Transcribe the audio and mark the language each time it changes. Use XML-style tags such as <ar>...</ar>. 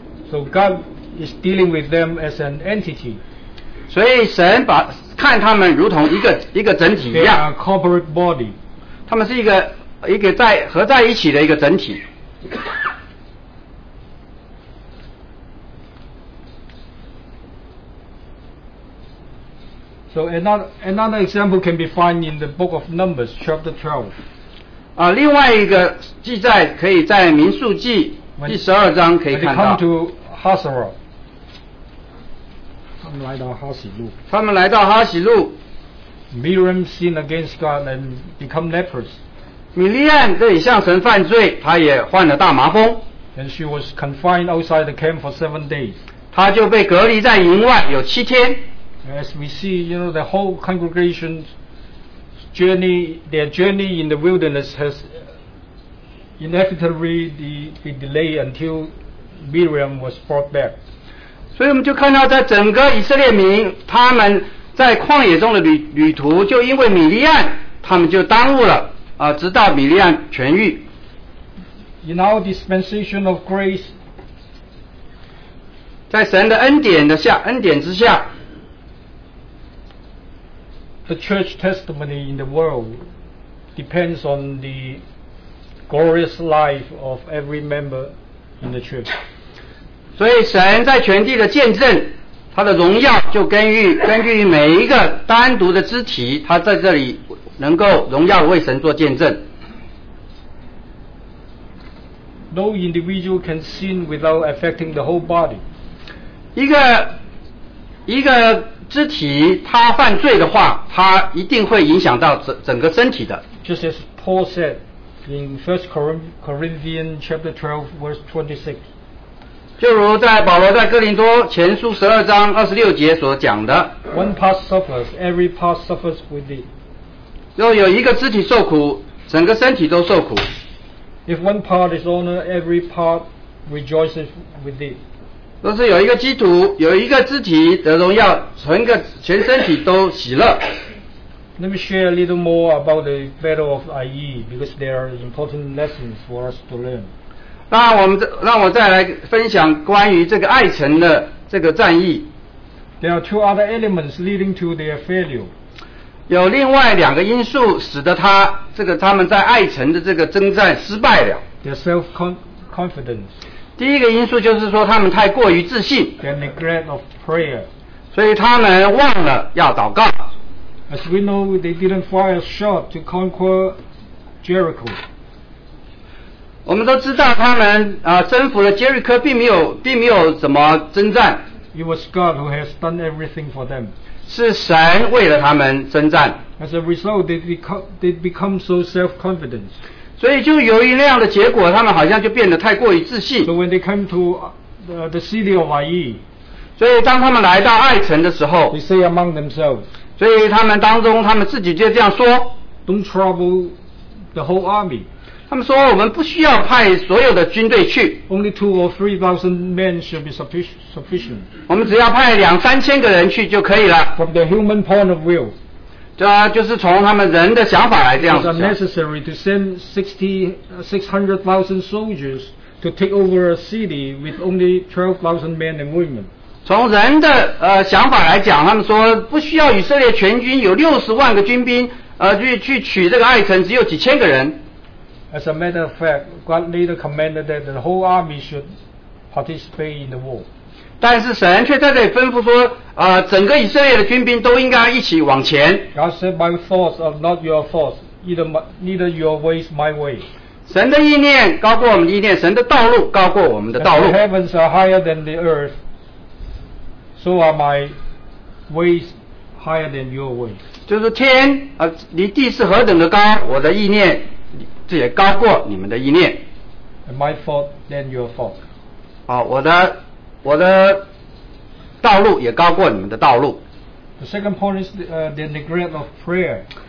<en>So God is dealing with them as an entity.</en> <zh>所以神把看他们如同一个整体一样。</zh> <en>They are a corporate body.</en> <zh>他们是一个在合在一起的一个整体。</zh> <en>So another example can be found in the book of Numbers, chapter 12.</en> <zh>另外一个记载可以在民数记第十二章可以看到。他们来到哈喜路</zh> <en>Miriam sinned against God and become leprous.</en> <zh>米利安这里向神犯罪，他也患了大麻风。</zh> <en>And she was confined outside the camp for 7 days.</en> <zh>他就被隔离在营外有七天。</zh> <en>As we see, you know, the whole congregation's journey, their journey in the wilderness has inevitably been delayed until. Miriam was brought back.</en> <zh>所以我们就看到在整个以色列民他们在旷野中的 旅途就因为米利暗他们就耽误了、啊、直到米利暗痊愈。</zh> <en>In our dispensation of grace,</en> <zh>在神的恩典之下</zh> <en>the church testimony in the world depends on the glorious life of every member in the church.</en> <zh>所以神在全地的见证他的荣耀就根据每一个单独的肢体他在这里能够荣耀为神做见证。</zh> <en>No individual can sin without affecting the whole body.</en> <zh>一个肢体他犯罪的话他一定会影响到 整个身体的。</zh> <en>Just as Paul said in 1 Corinthians chapter 12 verse 26，</en> <zh>就如在保罗在哥林多前书十二章二十六节所讲的</zh> <en>，One part suffers, every part suffers with it.</en> <zh>若有一个肢体受苦，整个身体都受苦。</zh> <en>If one part is honored, every part rejoices with it.</en> <zh>若是有一个基督徒有一个肢体得荣耀，全身体都喜乐。</zh> <en>Let me share a little more about the battle of IE because there are important lessons for us to learn.</en> <zh>让我再来分享关于这个爱城的这个战役。</zh> <en>There are two other elements leading to their failure.</en> <zh>有另外两个因素使得他们在爱城的这个征战失败了。</zh> <en>Their self-confidence.</en> <zh>第一个因素就是说他们太过于自信。</zh> <en>Their neglect of prayer.</en> <zh>所以他们忘了要祷告。</zh> <en>As we know, they didn't fire a shot to conquer Jericho.</en> <zh>我们都知道他们、啊、征服了杰瑞科并没有怎么征战。</zh> <en>It was God who has done everything for them.</en> <zh>是神为了他们征战。</zh> <en>As a result, they become so self-confident.</en> <zh>所以就由于那样的结果他们好像就变得太过于自信。</zh> <en>So when they come to the city of Ai,</en> <zh>所以当他们来到爱城的时候</zh> <en>They say among themselves,</en> <zh>所以他们当中他们自己就这样说</zh> <en>Don't trouble the whole army.</en> <zh>他们说我们不需要派所有的军队去</zh> <en>only 2,000 or 3,000 men should be sufficient</en> <zh>我们只要派两三千个人去就可以了</zh> <en>from the human point of view</en> <zh>这就是从他们人的想法来这样</zh> <en>it's unnecessary to send 600,000 soldiers to take over a city with only 12,000 men and women</en> <zh>从人的、想法来讲他们说不需要以色列全军有600,000个军兵、去取这个爱城只有几千个人。</zh> <en>As a matter of fact, God later commanded that the whole army should participate in the war.</en> <zh>但是神却在这里吩咐说、整个以色列的军兵都应该一起往前。</zh> <en>God said, my thoughts are not your thoughts, neither your ways my way.</en> <zh>神的意念高过我们的意念神的道路高过我们的道路。</zh> <en>As the heavens are higher than the earth, so are my ways higher than your ways.</en> <zh>就是天、离地是何等的高我的意念也高过你们的意念。</zh> <en>And my fault, then your fault.</en> <zh>好，我的道路也高过你们的道路。</zh> <en>The second point is the neglect of prayer.</en>